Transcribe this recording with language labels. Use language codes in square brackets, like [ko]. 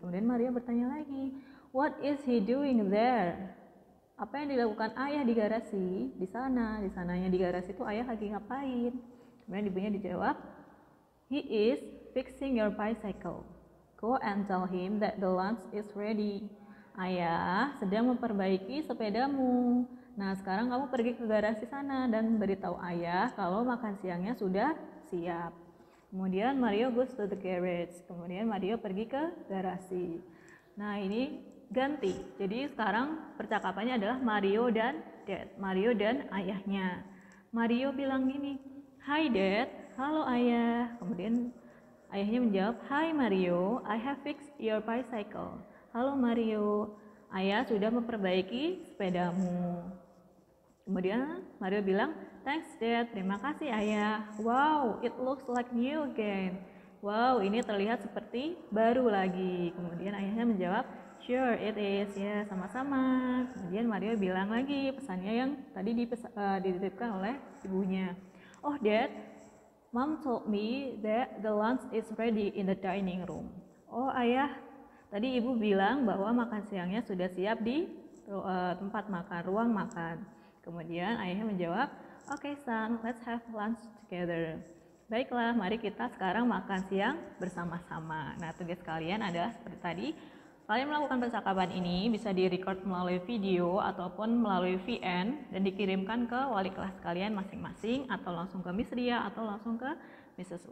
[id] Kemudian Mario bertanya lagi, [en] what is he doing there? [id] Apa yang dilakukan ayah di garasi? Di sana, di sananya di garasi itu ayah lagi ngapain? Kemudian ibunya dijawab, [en] he is fixing your bicycle. Go and tell him that the lunch is ready. [id] Ayah sedang memperbaiki sepedamu. Nah, sekarang kamu pergi ke garasi sana dan beritahu ayah kalau makan siangnya sudah siap. Kemudian Mario [en] goes to the garage. [id] Kemudian Mario pergi ke garasi. Nah, ini ganti. Jadi sekarang percakapannya adalah Mario dan Dad. Mario dan ayahnya. Mario bilang gini, [en] hi Dad, [id] halo ayah. Kemudian ayahnya menjawab, [en] hi Mario, I have fixed your bicycle. [id] Halo Mario, ayah sudah memperbaiki sepedamu. Kemudian Mario bilang, [en] thanks Dad, [id] terima kasih ayah. [en] Wow, it looks like new again. Wow, [id] ini terlihat seperti baru lagi. Kemudian ayahnya menjawab, [en] sure it is, [id] ya sama-sama. Kemudian Mario bilang lagi pesannya yang tadi dititipkan oleh ibunya. [en] Oh Dad, Mom told me that the lunch is ready in the dining room. [id] Oh ayah, tadi ibu bilang bahwa makan siangnya sudah siap di tempat makan, ruang makan. Kemudian ayahnya menjawab, [en] okay son, let's have lunch together. [id] Baiklah, mari kita sekarang makan siang bersama-sama. Nah, tugas kalian adalah seperti tadi. Kalian melakukan percakapan ini bisa direcord melalui video ataupun melalui VN dan dikirimkan ke wali kelas kalian masing-masing atau langsung ke Miss Ria atau langsung ke Mrs.